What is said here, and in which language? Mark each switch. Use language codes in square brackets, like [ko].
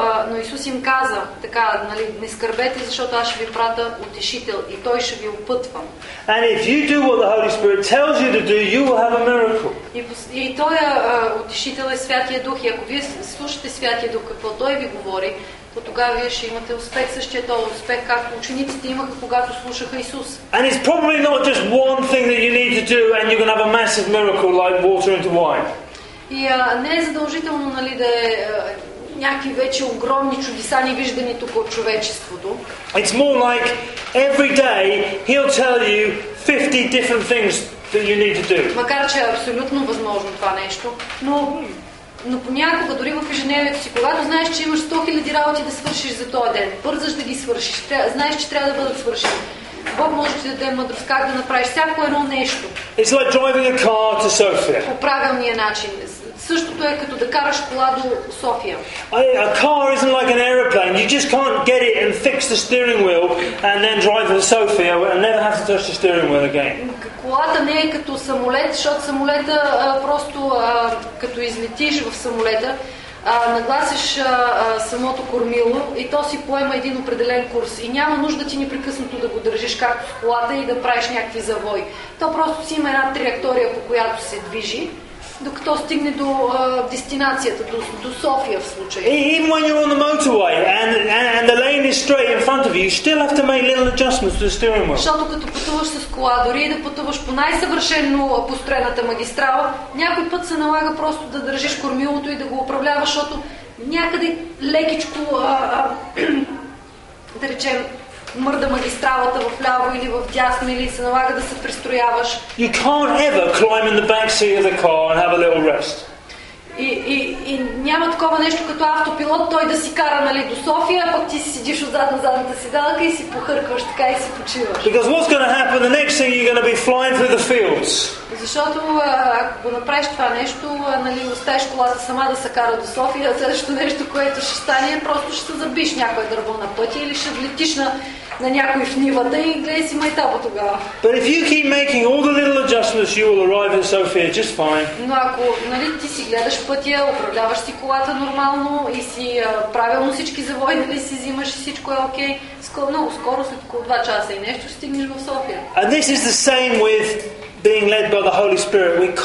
[bg] Но Исус им каза така, нали, не скърбете, защото аз ще ви пратя утешител и той ще ви опътва. [en] And if you do what the Holy Spirit tells you to do, you will have a miracle. [bg] И той утешител е Святия Дух, и ако вие слушате Святия Дух какво той ви говори, то тогава вие ще имате успех, същия този успех, както учениците имаха, когато слушаха Исус. [en] And it's probably not just one thing that you need to do and you're going to have a massive miracle like water into wine. [bg] И не е задължително, нали, да е някакви вече огромни чудеса ни виждани тук от човечеството. [en] It's more like every day he'll tell you 50 different things that you need to do. [bg] Макар че е абсолютно възможно това нещо, но понякога, дори в ежедневието си, когато знаеш, че имаш 100 000 работи да свършиш за този ден, бързаш да ги свършиш, знаеш, че трябва да бъдат свършени. Бог може да даде мъдрост как да направиш всяко едно нещо. [en] It's like driving a car to Sofia. [bg] По правилния начин. Същото е като да караш кола до София. [en] A car isn't like an aeroplane. You just can't get it and fix the steering wheel and then drive to Sofia and never have to touch the steering wheel again. [bg] Колата не е като самолет, защото самолета просто като излетиш в самолета, нагласиш самото кормило и то си поема един определен курс. И няма нужда ти непрекъснато да го държиш както с колата и да правиш някакви завои. То просто си има една траектория, по която се движи, докато стигне до дестинацията, до София в случая. [en] Even when you're on the motorway and the lane is straight in front of you, you still have to make little adjustments to the steering wheel. [bg] Защото като пътуваш с кола, дори и да пътуваш по най-съвършено построената магистрала, някой път се налага просто да държиш кормилото и да го управляваш, защото някъде лекичко, да речем, мърда магистралата в ляво или в дясно или се налага да се пристрояваш. [en] You can't ever climb in the back seat of the car and have a little rest. [bg] И няма такова нещо като автопилот, той да си кара, нали, до София, а пък ти си седиш отзад на задната седалка и си похъркваш така и си почиваш. [en] Because what's going to happen the next thing you're going to be flying through the fields. [bg] Защото ако го направиш това нещо, нали, оставиш колата сама да се кара до София, следващото нещо, което ще стане, е просто ще се забиш някое дърво на пътя или ще влетиш на някой в нивата и гледай си майтапа тогава. [en] But if you keep making all the little adjustments, you will arrive in Sofia just fine. [bg] Но ако, нали, ти си гледаш пътя, управляваш си колата нормално и си правилно всички завои, нали, си взимаш и всичко е окей, много скоро, след около 2 часа и нещо, стигнеш в София. [en] And this is the same with being led by the Holy Spirit.